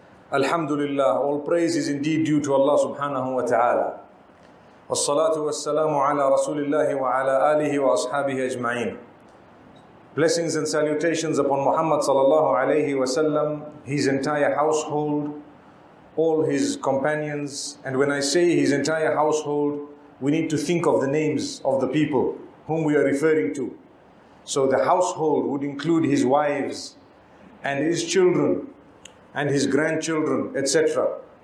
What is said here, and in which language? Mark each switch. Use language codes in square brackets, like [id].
[en] Alhamdulillah, all praise is indeed due to Allah subhanahu wa ta'ala. [ar] والصلاة والسلام على رسول الله وعلى آله وأصحابه أجمعين. [en] Blessings and salutations upon Muhammad sallallahu alayhi wa sallam, his entire household, all his companions. And when I say his entire household, we need to think of the names of the people whom we are referring to. So the household would include his wives and his children and his grandchildren, etc.